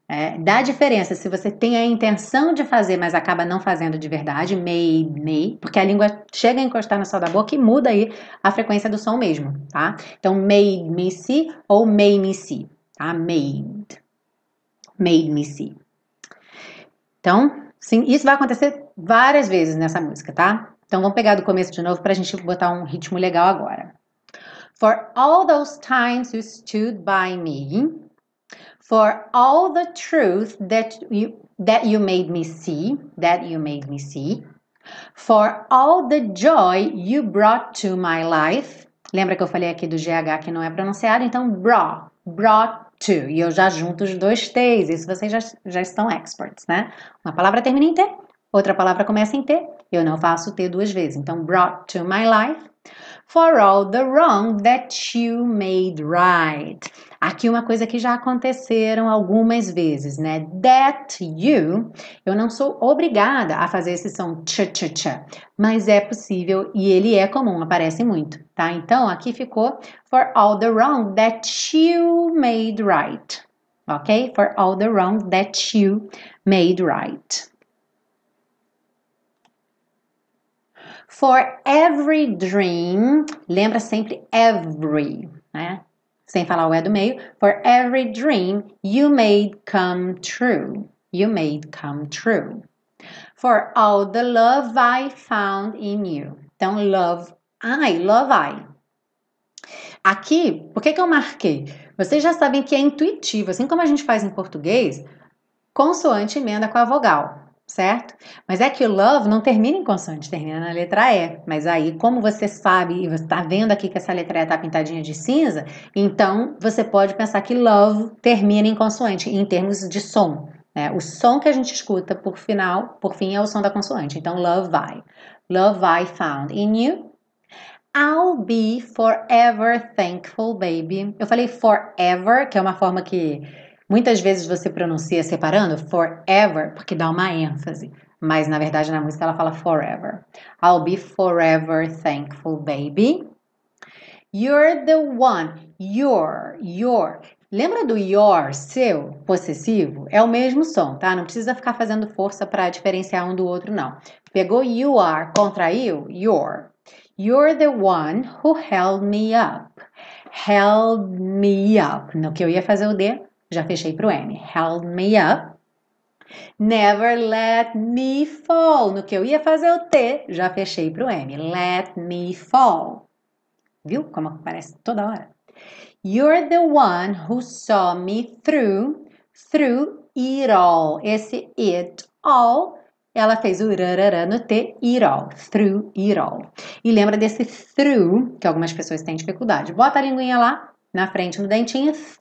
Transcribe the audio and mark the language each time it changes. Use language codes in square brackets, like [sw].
[pt] É, dá diferença se você tem a intenção de fazer, mas acaba não fazendo de verdade, made me, porque a língua chega a encostar no céu da boca e muda aí a frequência do som mesmo, tá? Então, made me see ou made me see, tá? Made. Made me see. Então, sim, isso vai acontecer várias vezes nessa música, tá? Então, vamos pegar do começo de novo pra gente botar um ritmo legal agora. [en] For all those times you stood by me. For all the truth that you made me see, that you made me see. For all the joy you brought to my life. [pt] Lembra que eu falei aqui do GH que não é pronunciado? Então, brought to. E eu já junto os dois T's. Isso vocês já estão experts, né? Uma palavra termina em T, outra palavra começa em T. Eu não faço T duas vezes. [en] Então, brought to my life. For all the wrong that you made right. [pt] Aqui uma coisa que já aconteceram algumas vezes, né? That you, eu não sou obrigada a fazer esse som tch-tch-tch, mas é possível e ele é comum, aparece muito, tá? Então aqui ficou [en] for all the wrong that you made right. [pt] Ok? [en] For all the wrong that you made right. For every dream, [pt] lembra sempre every, né? Sem falar o E do meio. [en] For every dream you made come true. You made come true. For all the love I found in you. [pt] Então, love I. Aqui, por que que eu marquei? Vocês já sabem que é intuitivo, assim como a gente faz em português, consoante emenda com a vogal. Certo? Mas é que o love não termina em consoante, termina na letra E. Mas aí, como você sabe, e você está vendo aqui que essa letra E está pintadinha de cinza, então você pode pensar que love termina em consoante, em termos de som, né? O som que a gente escuta por final, por fim, é o som da consoante. [en] Então, love I found in you. I'll be forever thankful, baby. [pt] Eu falei forever, que é uma forma que muitas vezes você pronuncia separando forever, porque dá uma ênfase. Mas, na verdade, na música ela fala forever. [en] I'll be forever thankful, baby. You're the one. [pt] Your. Lembra do your, seu, possessivo? É o mesmo som, tá? Não precisa ficar fazendo força para diferenciar um do outro, não. Pegou you are, contraiu, your. [en] You're the one who held me up. Held me up. [pt] No que eu ia fazer o D. Já fechei pro M. [en] Held me up. Never let me fall. [pt] No que eu ia fazer o T, já fechei pro M. [en] Let me fall. [pt] Viu como aparece toda hora? [en] You're the one who saw me through it all. [pt] Esse it all, ela fez o rarara no T, it all. [en] Through it all. [pt] E lembra desse through, que algumas pessoas têm dificuldade. Bota a linguinha lá na frente no dentinho.